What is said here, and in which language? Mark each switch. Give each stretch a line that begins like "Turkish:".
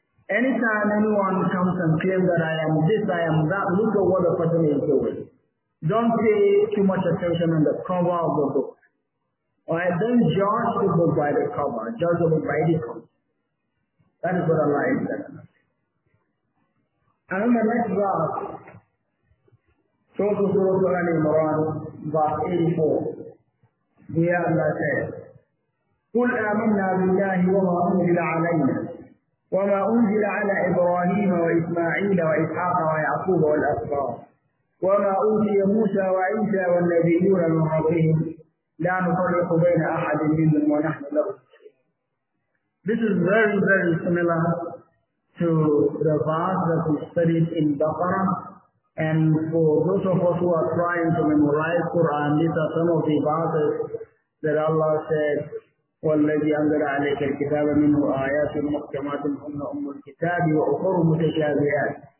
English: Anytime anyone comes and claims that I am this, I am that, look at what the person is doing. Don't pay too much attention on the cover of the book. Alright, then judge the book by the cover, judge the book by the content. That is what Allah is telling us. And in the next verse, Surah Al-Imran, verse 84, here Allah says,
Arabic: قُلْ آمِنَّا بِاللَّهِ وَمَا أُنْزِلَ عَلَيْنَا وَمَا أُنْزِلَ عَلَى إِبْرَاهِيمَ وَإِسْمَاعِيلَ وَإِسْحَاقَ وَيَعْقُوبَ وَالْأَسْبَاطِ وَمَا أُوتِيَ مُوسَى وَعِيسَى وَالنَّبِيُّونَ مِنْ رَبِّهِمْ لَا نُفَرِّقُ بَيْنَ أَحَدٍ مِنْهُمْ وَنَحْنُ لَهُ مُسْلِمُونَ.
English: This is very, very similar to the verse that we studied in Baqarah. And for those of us who are trying to memorize Quran, these are some of the verses that Allah said,
Arabic: والذي أنزل عليك الكتاب منه آيات محكمات هن أم الكتاب وأخر متشابهات.